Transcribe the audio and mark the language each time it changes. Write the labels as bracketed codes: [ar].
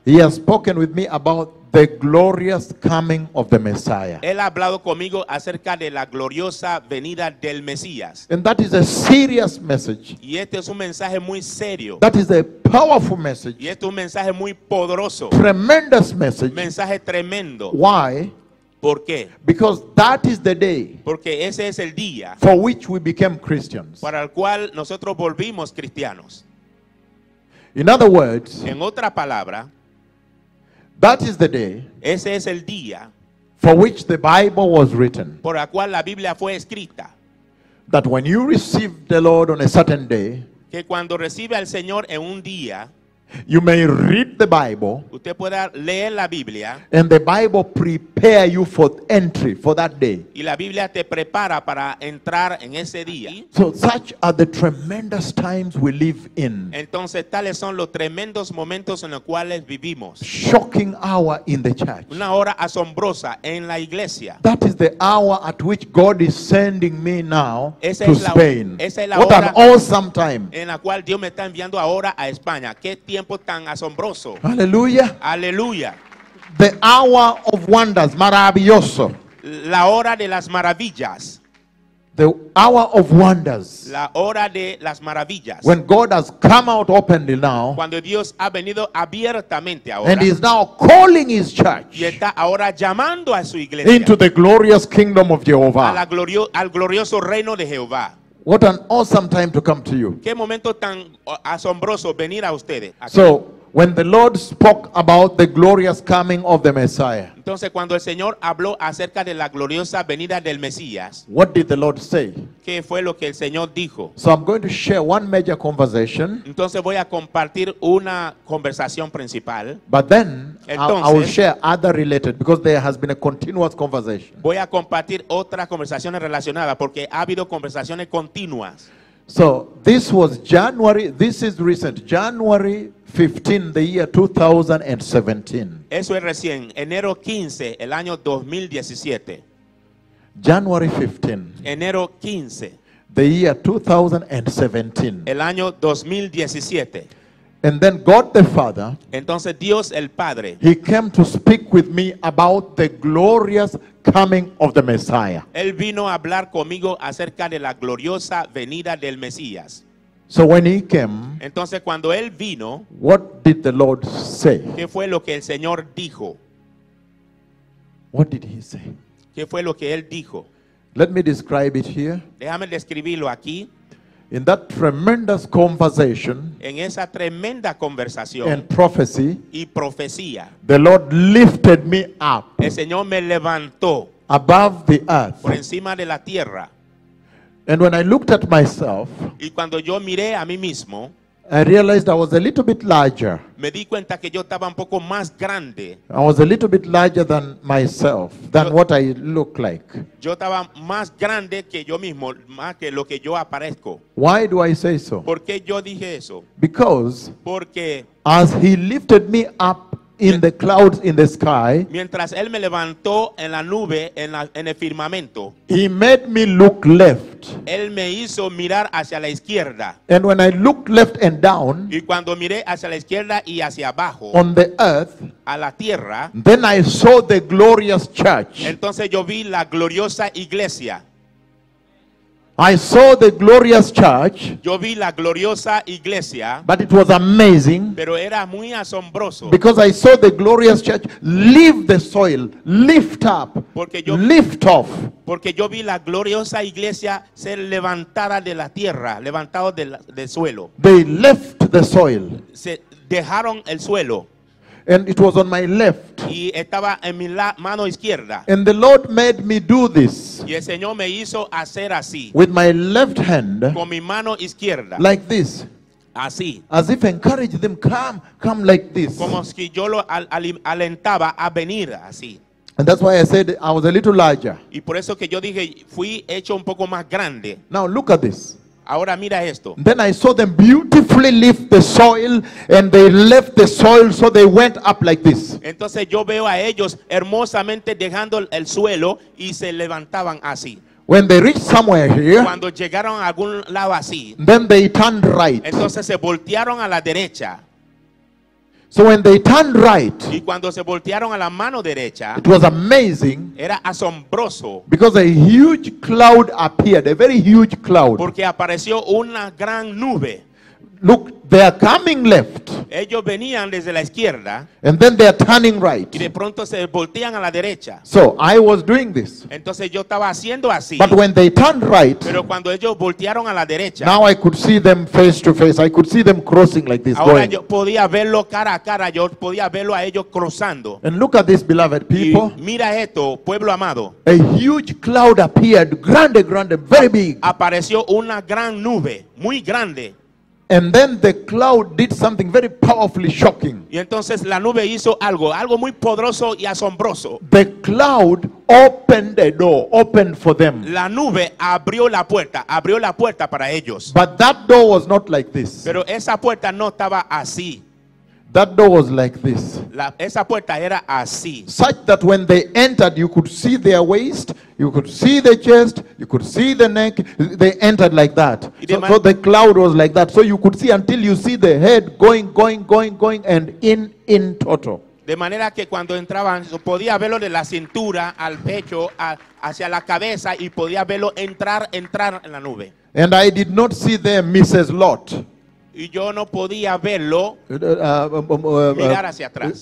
[en] he has spoken with me about the glorious coming of the Messiah. [es] Él ha hablado conmigo acerca de la gloriosa venida del Mesías. [en] And that is a serious message. [es] Y este es un mensaje muy serio. [en] That is a powerful message. [es] Y este es un mensaje muy poderoso. [en] Tremendous message. [es] Mensaje tremendo. [en] Why? [es] ¿Por qué? [en] Because that is the day, [es] porque ese es el día, [en] for which we became Christians. [es] Para el cual nosotros volvimos cristianos. [en] In other words, [es] en otra palabra, [en] that is the day, [es] ese es el día, [en] for which the Bible was written, [es] por la cual la Biblia fue escrita, [en] that when you receive the Lord on a certain day, [es] que cuando recibe al Señor en un día, [en] you may read the Bible, [es] usted pueda leer la Biblia, [en] and the Bible prepare you for entry for that day. [es] Y la Biblia te prepara para entrar en ese día. [en] So such are the tremendous times we live in. [es] Entonces tales son los tremendos momentos en los cuales vivimos. [en] Shocking hour in the church. [es] Una hora asombrosa en la iglesia. [en] That is the hour at which God is sending me now [es] esa [en] to [es] es la, [en] Spain. [es] Esa es la [en] what [es] hora [en] an awesome time. [es] En la cual Dios me está enviando ahora a España. ¿Qué tiempo tan asombroso? Aleluya. Aleluya. [en] The hour of wonders, [es] maravilloso. La hora de las maravillas. [en] The hour of wonders. [es] La hora de las maravillas. [en] When God has come out openly now. [es] Cuando Dios ha venido abiertamente ahora. [en] And is now calling his church. [es] Y está ahora llamando a su iglesia. [en] Into the glorious kingdom of Jehovah. [es] A la al glorioso reino de Jehová. [en] What an awesome time to come to you. [es] Qué momento tan asombroso venir a ustedes. [en] So, when the Lord spoke about the glorious coming of the Messiah. [es] Entonces, cuando el Señor habló acerca de la gloriosa venida del Mesías. [en] What did the Lord say? [es] ¿Qué fue lo que el Señor dijo? [en] So, I'm going to share one major conversation. [es] Entonces, voy a compartir una conversación principal. [en] But then, I will share other related because there has been a continuous conversation. [es] Voy a compartir otras conversaciones relacionadas porque ha habido conversaciones continuas. [en] So this was January, this is recent, January 15, the year 2017. [es] Eso es recién, enero 15, el año 2017. [en] January 15. [es] Enero 15. [en] The year 2017. [es] El año 2017. [en] And then God the Father, [es] entonces Dios el Padre, [en] he came to speak with me about the glorious coming of the Messiah. [es] Él vino a hablar conmigo acerca de la gloriosa venida del Mesías. [en] So when he came, [es] entonces cuando él vino, [en] what did the Lord say? [es] ¿Qué fue lo que el Señor dijo? [en] What did he say? [es] ¿Qué fue lo que él dijo? [en] Let me describe it here. [es] Déjame describirlo aquí. [en] In that tremendous conversation, [es] en esa tremenda conversación, [en] and prophecy, [es] y profecía, [en] the Lord lifted me up, [es] el Señor me levantó, [en] above the earth, [es] por encima de la tierra. [en] And when I looked at myself, [es] y cuando yo miré a mí mismo, [en] I realized I was a little bit larger. [es] Me di cuenta que yo estaba un poco más grande. [en] I was a little bit larger than myself, than what I look like. [es] Yo estaba más grande que yo mismo, más que lo que yo aparezco. [en] Why do I say so? [es] ¿Por qué yo dije eso? [en] Because [es] porque [en] as he lifted me up in the clouds in the sky, [es] mientras él me levantó en la nube en el firmamento, [en] he made me look left. [es] Él me hizo mirar hacia la izquierda. [en] And when I looked left and down, [es] y cuando miré hacia la izquierda y hacia abajo, [en] on the earth, [es] a la tierra, [en] then I saw the glorious church. [es] Entonces yo vi la gloriosa iglesia. [en] I saw the glorious church. [es] Yo vi la gloriosa iglesia. [en] But it was amazing. [es] Pero era muy asombroso. [en] Because I saw the glorious church leave the soil, lift up, lift off. [es] Porque yo vi la gloriosa iglesia ser levantada de la tierra, levantado del de suelo. [en] They left the soil. [es] Se dejaron el suelo. [en] And it was on my left. [es] Y estaba en mi mano izquierda. [en] And the Lord made me do this. [es] Y el Señor me hizo hacer así. [en] With my left hand. [es] Con mi mano izquierda. [en] Like this. [es] Así. [en] As if encourage them, come like this. [es] Como si yo lo alentaba a venir así. [en] And that's why I said I was a little larger. [es] Y por eso que yo dije fui hecho un poco más grande. [en] Now look at this. [es] Ahora mira esto. [en] Then I saw them beautifully lift the soil, and they left the soil, so they went up like this. [es] Entonces yo veo a ellos hermosamente dejando el suelo y se levantaban así. [en] When they reached somewhere here, [es] cuando llegaron a algún lado así, [en] then they turned right. [es] Entonces se voltearon a la derecha. [en] So when they turned right, [es] y cuando se voltearon a la mano derecha, [en] it was amazing. [es] Era asombroso. [en] Because a huge cloud appeared, a very huge cloud. [es] Porque apareció una gran nube. [en] Look, they are coming left. [es] Ellos venían desde la izquierda. [en] And then they are turning right. [es] Y de pronto se voltean a la derecha. [en] So I was doing this. [es] Entonces yo estaba haciendo así. [en] But when they turned right, [es] pero cuando ellos voltearon a la derecha, [en] now I could see them face to face. I could see them crossing like this. [es] Ahora [en] going. [es] Yo podía verlo cara a cara. Yo podía verlo a ellos cruzando. [en] And look at this, beloved people. [es] Y mira esto, pueblo amado. [en] A huge cloud appeared, [es] grande, grande, [en] very big. [es] Apareció una gran nube, muy grande. [en] And then the cloud did something very powerfully shocking. [es] Y entonces la nube hizo algo, algo muy poderoso y asombroso. [en] The cloud opened a door, opened for them. [es] La nube abrió la puerta para ellos. [en] But that door was not like this. [es] Pero esa puerta no estaba así. [en] That door was like this. [es] Esa puerta era así. [en] Such that when they entered, you could see their waist, you could see the chest, you could see the neck. They entered like that. So the cloud was like that. So you could see until you see the head going, and in total. [es] De manera que cuando entraban, podía verlo de la cintura al pecho, hacia la cabeza, y podía verlo entrar en la nube. [en] And I did not see there Mrs. Lot. [es] Y yo no podía verlo mirar hacia atrás.